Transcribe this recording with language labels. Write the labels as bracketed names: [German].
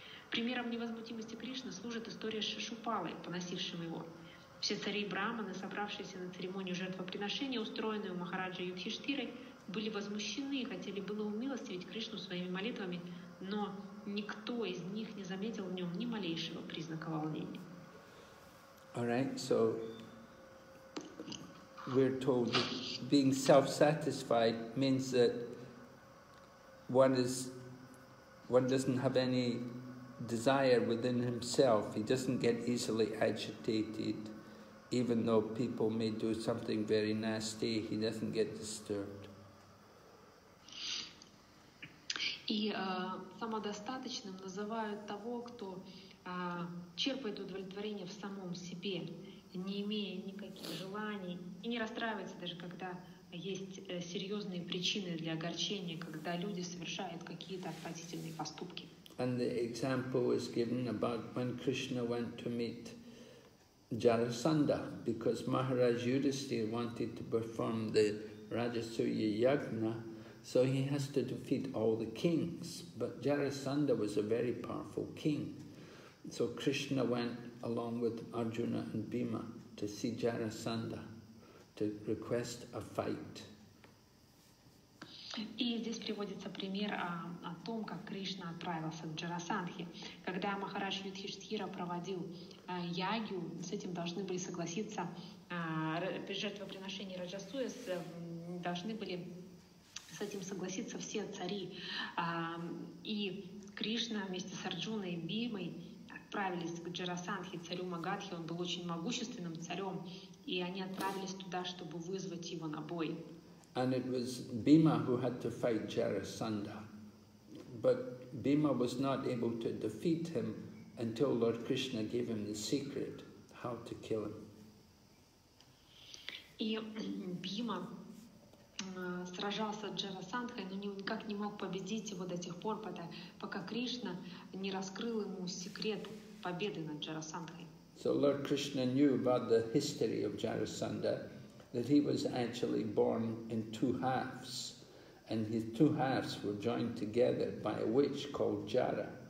[Russian] Примером невозмутимости Кришны служит история с Шишупалой, поносившим его. Все цари и брахманы, собравшиеся на церемонию жертвоприношения, устроенную Махараджа Юдхиштирой, были возмущены и хотели было умилостивить Кришну своими молитвами, но никто из них не заметил в нем ни малейшего признака волнения. [English] All right, so we're told that being self-satisfied means that one doesn't have any desire within himself. He doesn't get easily agitated, even though people may do something very nasty. He doesn't get disturbed. [Russian] И самодостаточным называют того, кто черпает удовлетворение в самом себе, не имея никаких желаний и не расстраивается даже, когда есть серьезные причины для огорчения, когда люди совершают какие-то отвратительные поступки. [English] And the example was given about when Krishna went to meet Jarasandha, because Maharaj Yudhisthira wanted to perform the Rajasuya Yagna, so he has to defeat all the kings. But Jarasandha was a very powerful king, so Krishna went along with Arjuna and Bhima to see Jarasandha to request a fight. [Russian] И здесь приводится пример о том, как Кришна отправился к Джарасандхе. Когда Махарадж Юдхиштхира проводил ягью, с этим должны были согласиться, жертвоприношение Раджасуя, должны были с этим согласиться все цари. И Кришна вместе с Арджуной и Бхимой отправились к Джарасандхе, царю Магадхи. Он был очень могущественным царем, и они отправились туда, чтобы вызвать его на бой. [English] And it was Bhima who had to fight Jarasandha. But Bhima was not able to defeat him until Lord Krishna gave him the secret how to kill him. [Russian] И Бхима сражался с Джарасандхой, но никак не мог победить его до тех пор, пока Кришна не раскрыл ему секрет победы над Джарасандхой. [English] So Lord Krishna knew about the history of Jarasandha, that he was actually born in two halves, and his two halves were joined together by a witch called Jara.